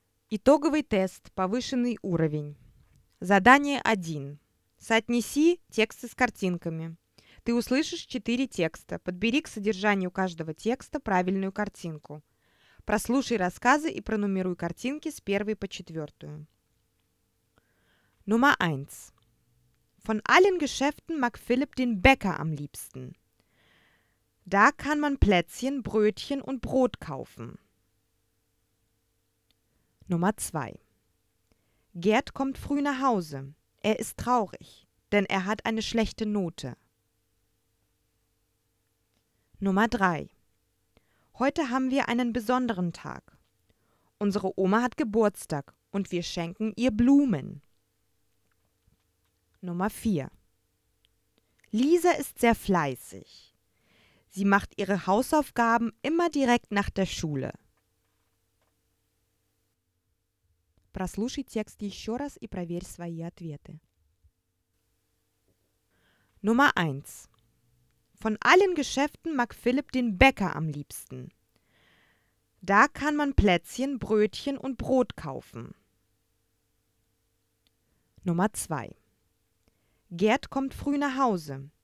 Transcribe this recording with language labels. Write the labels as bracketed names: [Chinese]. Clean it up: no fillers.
[Russian] Итоговый тест, повышенный уровень. Задание 1. Соотнеси тексты с картинками. Ты услышишь 4 текста. Подбери к содержанию каждого текста правильную картинку. Прослушай рассказы и пронумеруй картинки с 1 по 4. [German] Nummer 1. Von allen Geschäften mag Philipp den Bäcker am liebsten. Da kann man Plätzchen, Brötchen und Brot kaufen. Nummer 2. Gerd kommt früh nach Hause. Er ist traurig, denn er hat eine schlechte Note. Nummer 3. Heute haben wir einen besonderen Tag. Unsere Oma hat Geburtstag und wir schenken ihr Blumen. Nummer 4. Lisa ist sehr fleißig. Sie macht ihre Hausaufgaben immer direkt nach der Schule. [Russian] Прослушай текст еще раз и проверь свои ответы. [German] Nummer 1. Von allen Geschäften mag Philipp den Bäcker am liebsten. Da kann man Plätzchen, Brötchen und Brot kaufen. Nummer 2. Gerd kommt früh nach Hause.